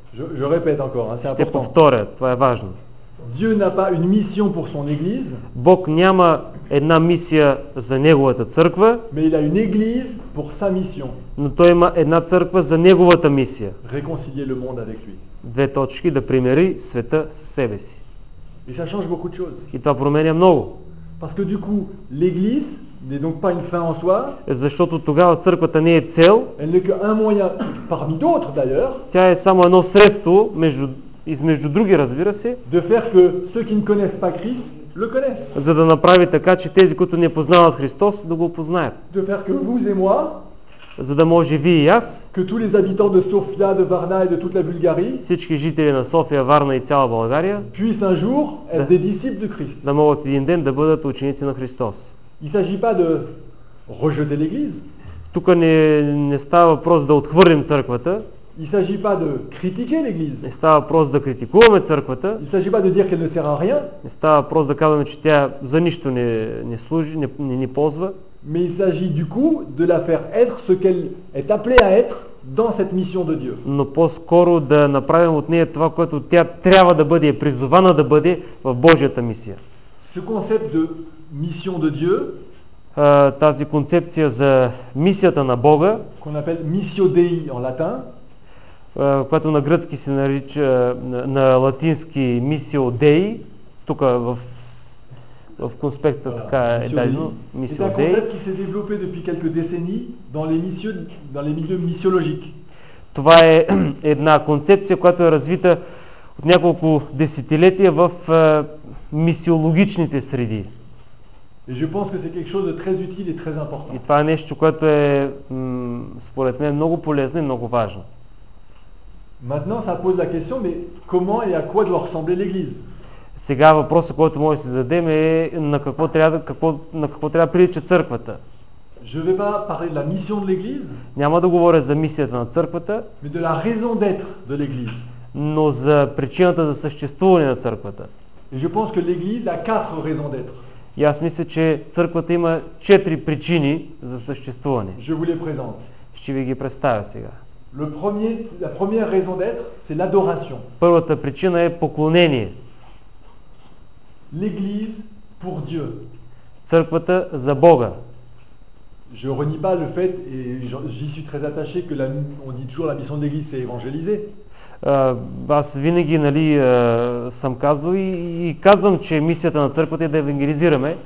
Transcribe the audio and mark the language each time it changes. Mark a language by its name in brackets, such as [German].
[French] Je répète encore, hein, c'est important. [Bulgarian] Ще повторя, това е важно. [French] Dieu n'a pas une mission pour son église. [Bulgarian] Бог няма една мисия за неговата църква. [French] Mais il a une église pour sa mission. [Bulgarian] Но той има една църква за неговата мисия. [French] Réconcilier le monde avec lui. [Bulgarian] Две точки, да примери света със себе си. [French] Et ça change beaucoup de choses. [Bulgarian] И това променя много. [French] Parce que du coup, l'église n'est donc pas une fin en soi. [Bulgarian] Защото тогава църквата не е цел. [French] Elle n'est qu'un moyen parmi d'autres d'ailleurs. [Bulgarian] Тя е само едно средство между измежду други, разбира се. [French] De faire que ceux qui ne connaissent pas Christ le connaissent. [Bulgarian] За да направи така, че тези, които не познават Христос, да го познаят. [French] De faire que vous et moi, [Bulgarian] за да може вие и аз, [French] que tous les habitants de Sofia, de Varna et de toute la Bulgarie, [Bulgarian] всички жители на София, Варна и цяла България, [French] puissent un jour être des disciples de Christ. [Bulgarian] Да могат един ден да бъдат ученици на Христос. [French] Il s'agit pas de rejeter l'église. [Bulgarian] Тук не става въпрос да отхвърлим църквата. [French] Il s'agit pas de critiquer l'église. [Bulgarian] Не става въпрос да критикуваме църквата. [French] Il s'agit pas de dire qu'elle ne sert à rien. [Bulgarian] Не става въпрос да казваме, че тя за нищо не служи, не ползва. [French] Mais il s'agit du coup de la faire être ce qu'elle est appelée à être dans cette mission de Dieu. [Bulgarian] Но по-скоро да направим от нея това, което тя трябва да бъде, е призована да бъде в Божията мисия. [French] Ce concept de mission de Dieu, [Bulgarian] тази концепция за мисията на Бога, [French] qu'on appelle missio Dei en latin, [Bulgarian] което на гръцки се нарича, на латински missio Dei, тук в конспекта така е дадено missio Dei. [French] Qui s'est développé depuis quelques décennies dans les missions, dans les milieux missiologiques. [Bulgarian] Това е една концепция, която е развита от няколко десетилетия в мисиологичните среди. [French] Et je pense que c'est quelque chose de très utile et très important. [Bulgarian] И това е нещо, което е според мен много полезно и много важно. [French] Maintenant ça pose la question, mais comment et à quoi doit ressembler l'église? [Bulgarian] Сега въпросът, който може да се задем, е на какво трябва да прилича църквата. [French] Je vais pas parler de la mission de l'église. [Bulgarian] Няма да говоря за мисията на църквата. [French] Mais de la raison d'être de l'église. [Bulgarian] Но за причината за съществуване на църквата. [French] Et je pense que l'église a quatre raisons d'être. [Bulgarian] И аз мисля, че църквата има четири причини за съществуване. [French] Je vous les présente. [Bulgarian] Ще ви ги представя сега. [French] La première raison d'être, c'est l'adoration. [Bulgarian] Първата причина е поклонение. [French] L'église pour Dieu. [Bulgarian] Църквата за Бога. [French] Je renie pas le fait et j'y suis très attaché que la, on dit toujours la mission de l'église c'est évangéliser. [Bulgarian] Аз винаги, нали, съм казвал и казвам, че мисията на църквата е да евангелизираме.